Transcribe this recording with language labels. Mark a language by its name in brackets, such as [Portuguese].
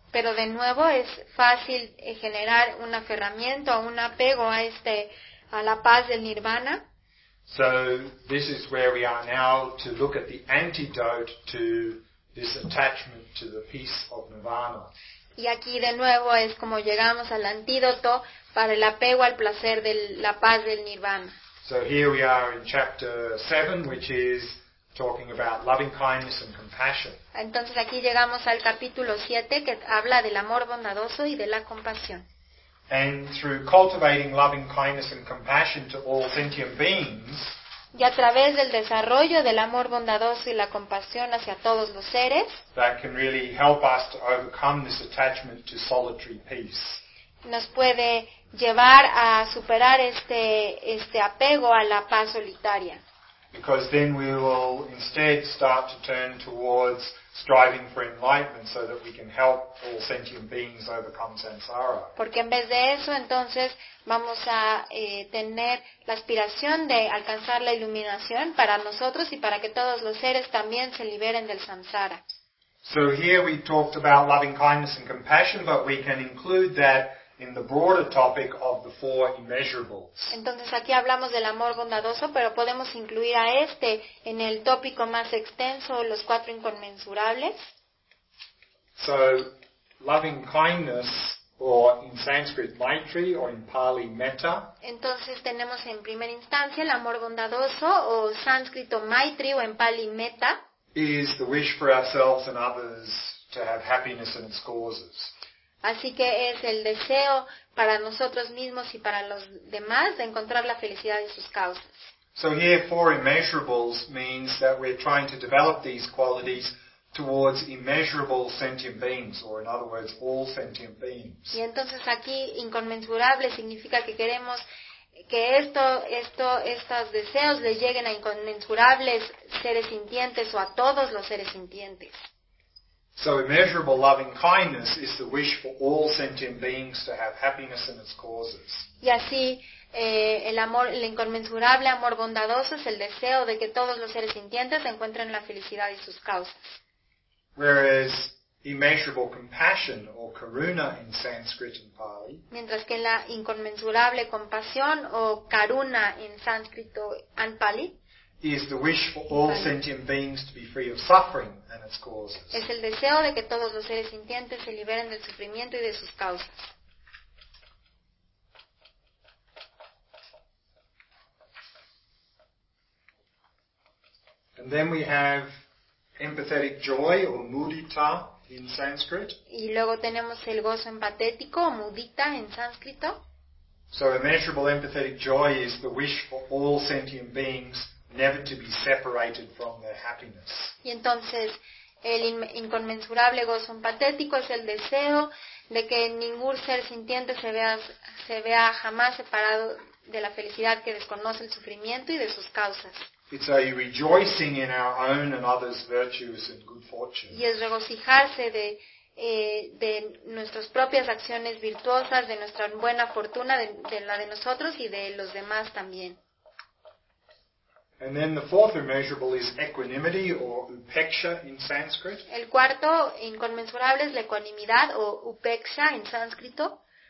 [Spanish] Pero de nuevo es fácil generar un aferramiento o un apego a la paz del nirvana. [English] So this is where we are now to look at the antidote to this attachment to the peace of nirvana. [Spanish] Y aquí de nuevo es como llegamos al antídoto para el apego al placer de la paz del nirvana. [English] So here we are in chapter 7, which is talking about loving kindness and compassion. [Spanish] Entonces aquí llegamos al capítulo 7 que habla del amor bondadoso y de la compasión. [English] And through cultivating loving kindness and compassion to all sentient beings. [Spanish] Y a través del desarrollo del amor bondadoso y la compasión hacia todos los seres. [English] That can really help us to overcome this attachment to solitary peace. [Spanish] Nos puede llevar a superar este apego a la paz solitaria. [English] Because then we will instead start to turn towards striving for enlightenment so that we can help all sentient beings overcome samsara. [Spanish] Porque en vez de eso, entonces, vamos a tener la aspiración de alcanzar la iluminación para nosotros y para que todos los seres también se liberen del samsara. [English] So here we talked about loving kindness and compassion, but we can include that in the broader topic of the four immeasurables. [Spanish] Entonces aquí hablamos del amor bondadoso, pero podemos incluir a este en el tópico más extenso, los cuatro inconmensurables. [English] So, loving kindness, or in Sanskrit maitri, or in Pali metta. [Spanish] Entonces tenemos en primera instancia el amor bondadoso, o sánscrito maitri, o en Pali metta. [English] Is the wish for ourselves and others to have happiness in its causes. [Spanish] Así que es el deseo para nosotros mismos y para los demás de encontrar la felicidad y sus causas. [English] So here four immeasurables means that we're trying to develop these qualities towards immeasurable sentient beings, or in other words, all sentient beings. [Spanish] Y entonces aquí inconmensurable significa que queremos que estos deseos le lleguen a inconmensurables seres sintientes o a todos los seres sintientes. [English] So immeasurable loving kindness is the wish for all sentient beings to have happiness in its causes. [Spanish] Y así, el inconmensurable amor bondadoso es el deseo de que todos los seres sintientes encuentren la felicidad y sus causas. [English] Whereas immeasurable compassion or karuna in Sanskrit and Pali. [Spanish] Mientras que la inconmensurable compasión o karuna en sánscrito y pali. [English] Is the wish for all sentient beings to be free of suffering and its causes. [Spanish] Es el deseo de que todos los seres sintientes se liberen del sufrimiento y de sus causas. [English] And then we have empathetic joy or mudita in Sanskrit. [Spanish] Y luego tenemos el gozo empatético o mudita en sánscrito. [English] So immeasurable empathetic joy is the wish for all sentient beings never to be separated from their happiness. [Spanish] Y entonces el inconmensurable gozo empatético es el deseo de que ningún ser sintiente se vea jamás separado de la felicidad que desconoce el sufrimiento y de sus causas. [English] It's a rejoicing in our own and others' virtues and good fortune. [Spanish] Y es regocijarse de nuestras propias acciones virtuosas, de nuestra buena fortuna, de la de nosotros y de los demás también. [English] And then the fourth immeasurable is equanimity or upeksha in Sanskrit. [Spanish] El cuarto inconmensurable es la ecuanimidad o upeksha en sánscrito.